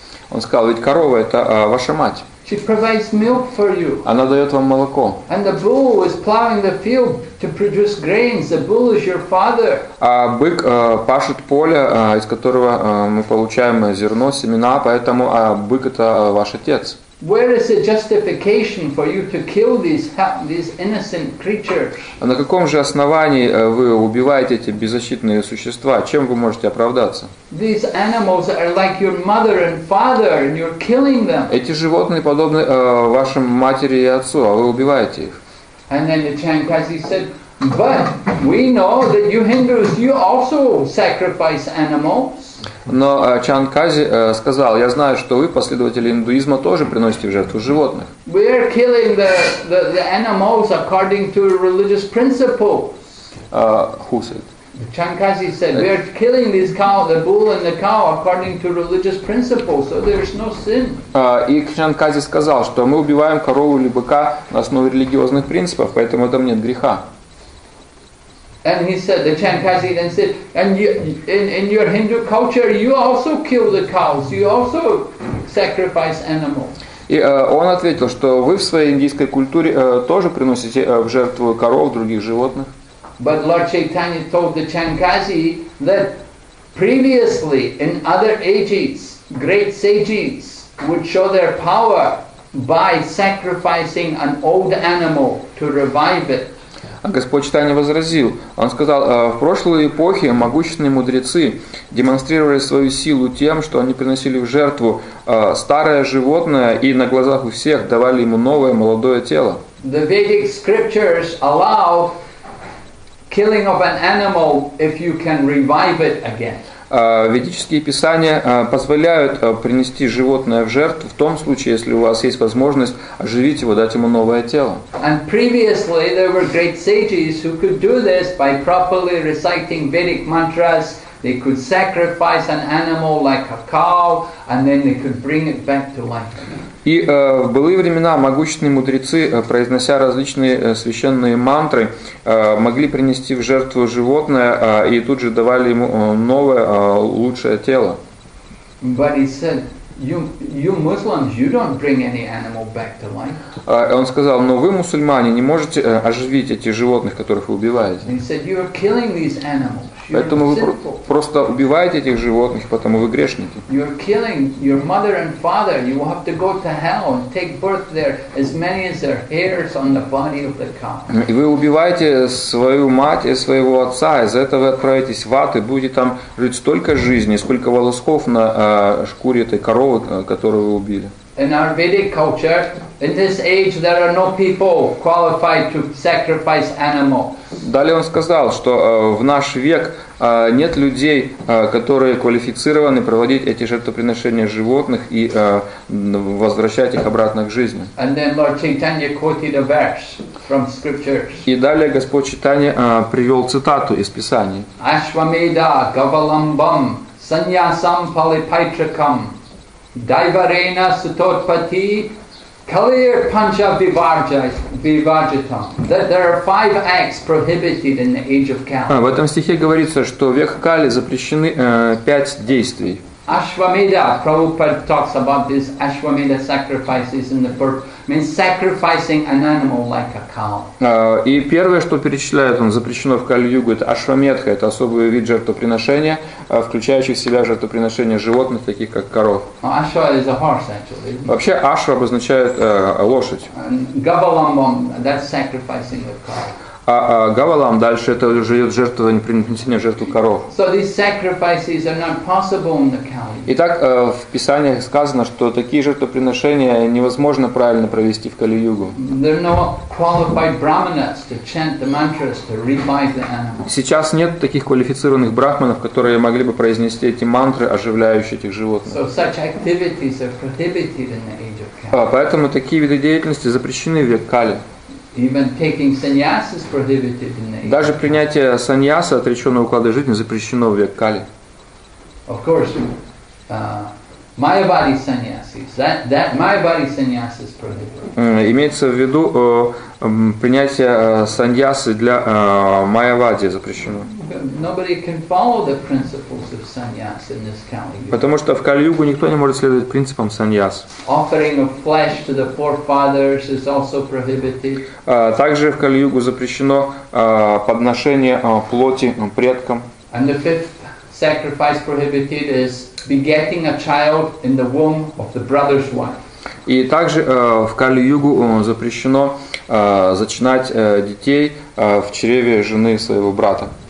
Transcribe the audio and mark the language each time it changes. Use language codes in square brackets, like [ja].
[ru] Он сказал: "Ведь корова это ваша мать. [en] She provides milk for you. [ru] Она дает вам молоко. [en] And the bull is plowing the field to produce grains. The bull is your father." [ru] А бык пашет поле, из которого мы получаем зерно, семена, поэтому бык это ваш отец. [en] Where is the justification for you to kill these innocent creatures? [ru] На каком же основании вы убиваете эти беззащитные существа? Чем вы можете оправдаться? [en] These animals are like your mother and father, and you're killing them. [ru] Эти животные подобны вашим матери и отцу, а вы убиваете их. [en] And then the Chankazi said, "But we know that you Hindus, you also sacrifice animals." [ru] Но Чанкази сказал: "Я знаю, что вы, последователи индуизма, тоже приносите в жертву животных." [en] We are killing the animals according to religious principles. Who said? Chankazi said, "We are killing these cow, the bull and the cow, according to religious principles, so there is no sin." [ru] И Чанкази сказал, что мы убиваем корову или быка на основе религиозных принципов, поэтому там нет греха. [en] And he said, the Chankazi then said, "And you, in your Hindu culture, you also kill the cows, you also sacrifice animals." [ru] И он ответил, что вы в своей индийской культуре тоже приносите в жертву коров, других животных. [en] But Lord Chaitanya told the Chankazi that previously, in other ages, great sages would show their power by sacrificing an old animal to revive it. [ru] А Господь Чайтанья возразил. Он сказал: "В прошлой эпохе могущественные мудрецы демонстрировали свою силу тем, что они приносили в жертву старое животное и на глазах у всех давали ему новое молодое тело." [en] The Vedic scriptures allow killing of an animal if you can revive it again. [ru] Ведические писания позволяют принести животное в жертву в том случае, если у вас есть возможность оживить его, дать ему новое тело. [en] And previously there were great sages who could do this by properly reciting Vedic mantras. They could sacrifice an animal like a cow, and then they could bring it back to life. [ru] И в былые времена могущественные мудрецы, произнося различные священные мантры, могли принести в жертву животное и тут же давали ему новое, лучшее тело. [en] But he said, you Muslims, you don't bring any animal back to life. [ru] Он сказал: "Но вы, мусульмане, не можете оживить эти животных, которых вы убиваете." [en] He said, "You are killing these animals. [ru] Поэтому вы просто убиваете этих животных, потому вы грешники." [en] You're killing your mother and father. You will have to go to hell and take birth there as many as there hairs on the body of the cow. [ru] И вы убиваете свою мать и своего отца, из-за этого вы отправитесь в ад и будете там жить столько жизни, сколько волосков на шкуре этой коровы, которую вы убили. [en] In our Vedic culture, in this age, there are no people qualified to sacrifice animals. [ru] Далее он сказал, что в наш век нет людей, которые квалифицированы проводить эти жертвоприношения животных и возвращать их обратно к жизни. [en] And then Lord Chaitanya quoted a verse from scriptures. [ru] И далее Господь Чайтанья привел цитату из Писаний. [sa] Ашвамеда гавалламбам саньясам палипайтракам дайварена сутотпати Kaliya Pancha Vivarjitam. [en] That there are five acts prohibited in the age of Kali. [ru] В этом стихе говорится, что в век Кали запрещены пять действий. [en] Ashwamedha, Prabhupada talks about this Ashwamedha sacrifices in the first, means sacrificing an animal like a cow. [ru] И первое, что перечисляет он, запрещено в Кали-югу, это Ашвамедха, это особый вид жертвоприношения, включающий в себя жертвоприношение животных, таких как коров. [en] Ashwa is a horse, actually. [ru] Вообще Ашва обозначает лошадь. [en] Gavalambam, that's sacrificing the cow. [ru] А Гавалам дальше это уже идет жертвование, принесение жертву коров. [en] So these sacrifices are not possible in the Kali. [ru] Итак, в Писаниях сказано, что такие жертвоприношения невозможно правильно провести в Кали-югу. [en] There are no qualified brahmanas to chant the mantras to revive the animal. [ru] Сейчас нет таких квалифицированных брахманов, которые могли бы произнести эти мантры, оживляющие этих животных. [en] So such activities are prohibited in the age of Kali. [ru] Поэтому такие виды деятельности запрещены в век Кали. [en] Even taking sannyas is prohibited in the age. Даже принятие саньяса, отреченного уклада жизни, запрещено в век Кали. Of course, Mayavadi sannyasis. That Mayavadi sannyas is prohibited. [ru] Имеется в виду принятие саньясы для Mayavadi запрещено. [en] Nobody can follow the principles of sannyas in this Kali-yuga. [ru] Потому что в Кали-югу никто не может следовать принципам саньяс. [en] Offering of flesh to the forefathers is also prohibited. [ru] Также в Кали-югу запрещено подношение плоти предкам. [en] And the fifth sacrifice prohibited is begetting a child in the womb of the brother's wife. [ru] И также в Кали-югу запрещено зачинать детей в чреве жены своего брата.